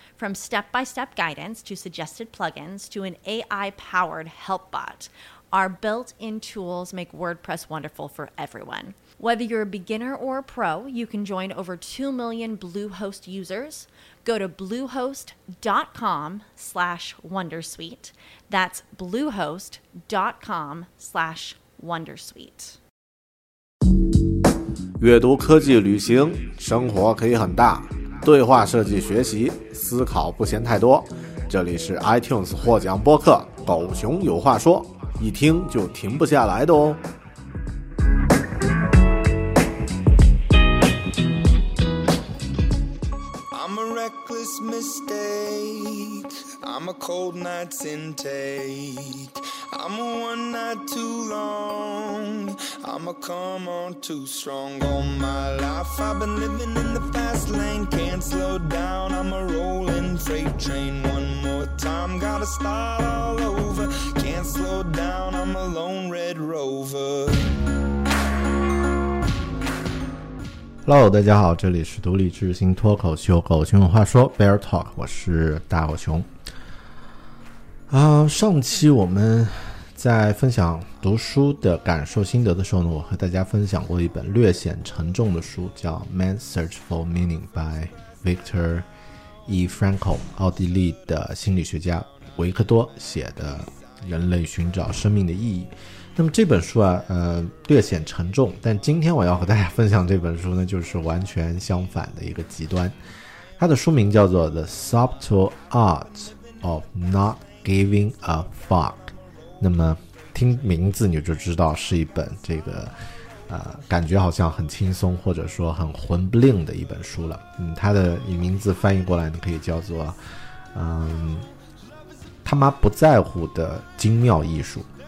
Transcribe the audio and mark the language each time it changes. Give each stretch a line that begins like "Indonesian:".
English: From step-by-step guidance to suggested plugins to an AI-powered help bot, our built-in tools make WordPress wonderful for everyone. Whether you're a beginner or a pro, you can join over 2 million Bluehost users. Go to bluehost.com/wondersuite. That's bluehost.com/wondersuite.
Chinese: 阅读、科技、旅行，生活可以很大。对话设计、学习、思考不嫌太多。这里是 iTunes 获奖播客《狗熊有话说》，一听就停不下来的哦。
English: I'm a cold night's intake. I'm a one night too long. I'm a come on too strong. All my life I've been living in the fast lane. Can't slow down, I'm a rolling freight train. One more time, gotta start all over. Can't slow down, I'm a lone red rover.
Chinese: Hello， 大家好，这里是独立知识型脱口秀《狗熊有话说》（Bear Talk）， 我是大狗熊。上期我们在分享读书的感受心得的时候呢，我和大家分享过一本略显沉重的书，叫《Man's Search for Meaning》by Viktor E. Frankl， 奥地利的心理学家维克多写的《人类寻找生命的意义》。那么这本书啊，略显沉重，但今天我要和大家分享这本书呢，就是完全相反的一个极端。它的书名叫做《The Subtle Art of Not Giving a Fuck》。那么听名字你就知道是一本这个，感觉好像很轻松或者说很魂不吝的一本书了。嗯，它的名字翻译过来呢，可以叫做，他妈不在乎的精妙艺术。